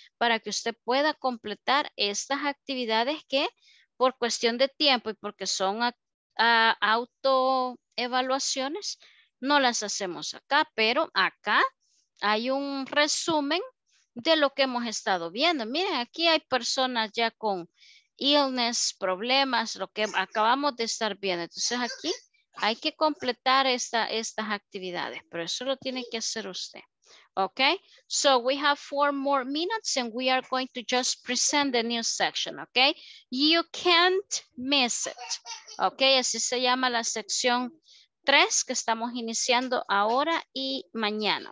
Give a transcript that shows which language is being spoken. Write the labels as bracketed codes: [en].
[es] Para que usted pueda completar estas actividades que por cuestión de tiempo y porque son autoevaluaciones, no las hacemos acá, pero acá hay un resumen de lo que hemos estado viendo. Miren, aquí hay personas ya con illness, problemas, lo que acabamos de estar viendo. Entonces aquí hay que completar estas actividades, pero eso lo tiene que hacer usted. [en] Ok, so we have 4 more minutes and we are going to just present the new section. Ok, you can't miss it. [es] Ok, así se llama la sección 3 que estamos iniciando ahora y mañana.